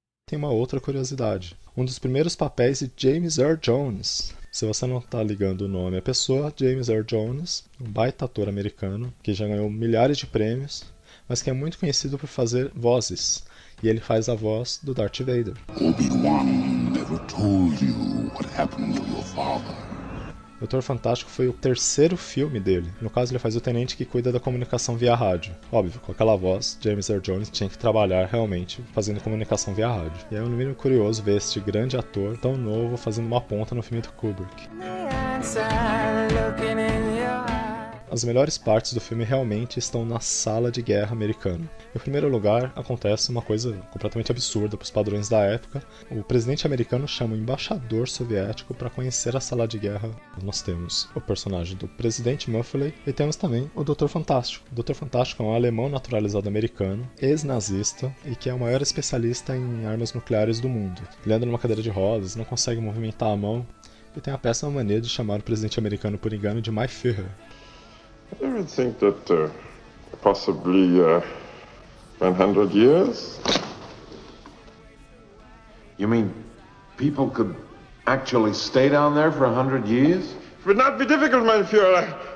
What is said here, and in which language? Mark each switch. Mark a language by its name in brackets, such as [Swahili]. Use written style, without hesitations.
[Portuguese] Tem uma outra curiosidade: um dos primeiros papéis de James Earl Jones. Se você não tá ligando o nome à pessoa, James Earl Jones, um baita ator americano, que já ganhou milhares de prêmios, mas que é muito conhecido por fazer vozes. E ele faz a voz do Darth Vader. [English] Obi-Wan never told you what happened to your father. [Portuguese] Doutor Fantástico foi o terceiro filme dele. No caso, ele faz o tenente que cuida da comunicação via rádio. Óbvio, com aquela voz, James Earl Jones tinha que trabalhar realmente fazendo comunicação via rádio. E é um mínimo curioso ver este grande ator tão novo fazendo uma ponta no filme do Kubrick. As melhores partes do filme realmente estão na sala de guerra americana. Em primeiro lugar, acontece uma coisa completamente absurda para os padrões da época. O presidente americano chama o embaixador soviético para conhecer a sala de guerra. Nós temos o personagem do presidente Muffley e temos também o Dr. Fantástico. O Dr. Fantástico é um alemão naturalizado americano, ex-nazista e que é o maior especialista em armas nucleares do mundo. Ele anda numa cadeira de rodas, não consegue movimentar a mão e tem a péssima mania de chamar o presidente americano por engano de My Führer. [English] I would think that possibly 100 years. You mean people could actually stay down there for 100 years? It would not be difficult, mein Führer.